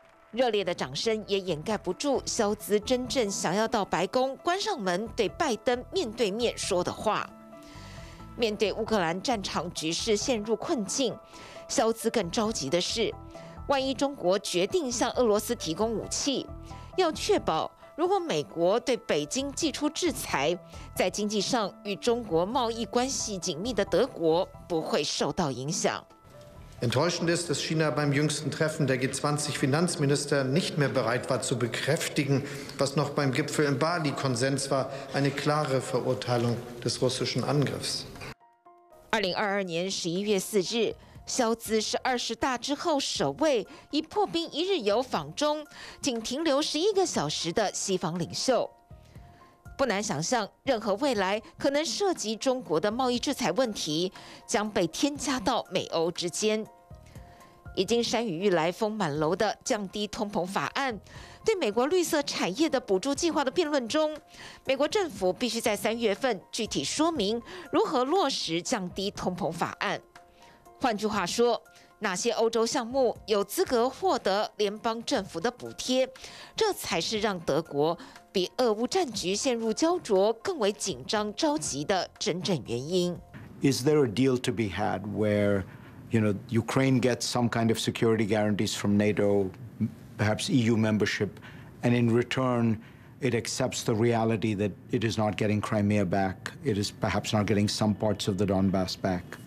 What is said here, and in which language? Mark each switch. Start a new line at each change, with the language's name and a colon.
Chinese: 热烈的掌声也掩盖不住肖兹真正想要到白宫关上门对拜登面对面说的话。面对乌克兰战场局势陷入困境，肖兹更着急的是，万一中国决定向俄罗斯提供武器，要确保如果美国对北京祭出制裁，在经济上与中国贸易关系紧密的德国不会受到影响。
German: Enttäuschend ist, dass China beim jüngsten Treffen der G20-Finanzminister nicht mehr bereit war, zu bekräftigen, was noch beim Gipfel in Bali Konsens war, eine klare Verurteilung des russischen Angriffs.
Chinese: 2022年11月4日，肖兹是二十大之后首位以破冰一日游访中仅停留11个小时的西方领袖。不难想象，任何未来可能涉及中国的贸易制裁问题将被添加到美欧之间。已经山雨欲来风满楼的降低通膨法案，对美国绿色产业的补助计划的辩论中，美国政府必须在三月份具体说明如何落实降低通膨法案。换句话说，哪些欧洲项目有资格获得联邦政府的补贴，这才是让德国比俄乌战局陷入焦灼更为紧张着急的真正原因。
English: Is there a deal to be had where, you know, Ukraine gets some kind of security guarantees from NATO, perhaps EU membership, and in return, it accepts the reality that it is not getting Crimea back, it is perhaps not getting some parts of the Donbass back?